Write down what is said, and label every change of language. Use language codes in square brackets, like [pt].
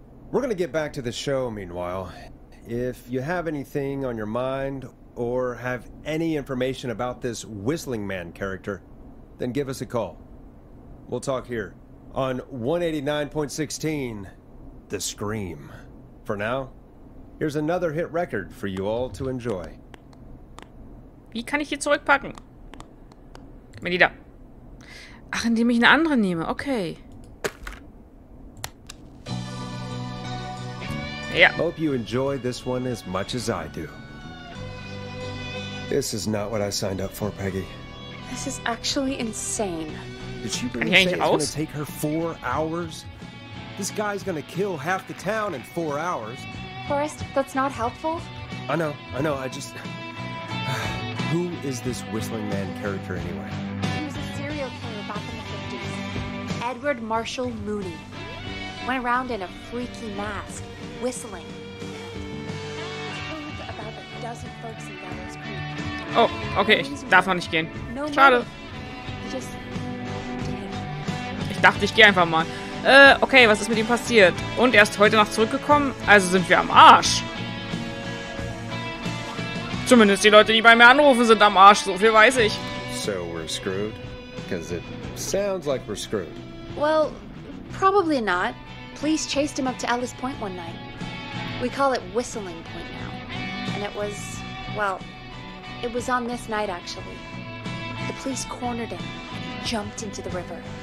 [en] We're gonna get back to the show, meanwhile. If you have anything on your mind or have any information about this Whistling Man character, then give us a call. We'll talk here on 189.16, The Scream. For now, here's another hit record for you all to enjoy. [de] Wie kann ich hier zurückpacken? Gib mir die da. Ach, indem ich eine andere nehme. Okay. Ja. [en] Hope you enjoy this one as much as I do. This is not what I signed up for, Peggy. This is actually insane. Did she really say it's gonna take her 4 hours? This guy's gonna kill half the town in 4 hours. Forrest, that's not helpful. I know, I just... Who is this Whistling Man character anyway? He was a serial killer back in the 50s. Edward Marshall Mooney. Went around in a freaky mask, whistling. Killed about a dozen folks in Gallows Creek. [de] Oh, okay, ich darf noch nicht gehen. Schade. Ich dachte, ich gehe einfach mal. Okay, was ist mit ihm passiert? Und er ist heute noch zurückgekommen, also sind wir am Arsch. Zumindest die Leute, die bei mir anrufen, sind am Arsch, so viel weiß ich. [en] So we're screwed? Because it sounds like we're screwed. Well, probably not. Police chased him up to Ellis Point one night. We call it Whistling Point now. And it was, well, it was on this night actually. The police cornered him, jumped into the river.